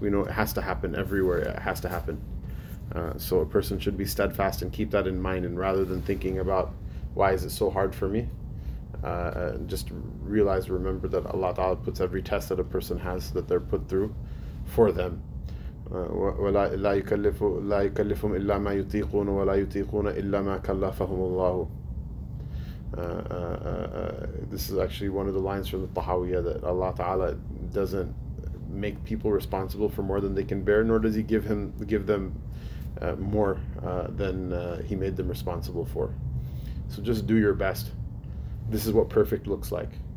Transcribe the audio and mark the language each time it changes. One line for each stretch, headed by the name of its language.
English: We know it has to happen everywhere. It has to happen. So a person should be steadfast and keep that in mind, and rather than thinking about why is it so hard for me? Just realize, remember that Allah Ta'ala puts every test that a person has, that they're put through, for them.
Arabic: لا يكلفهم إلا ما يطيقون ولا يطيقون إلا ما كلفهم الله.
English: This is actually one of the lines from the Tahawiyah, that Allah Ta'ala doesn't make people responsible for more than they can bear, nor does He give them more than He made them responsible for. So just do your best. This is what perfect looks like.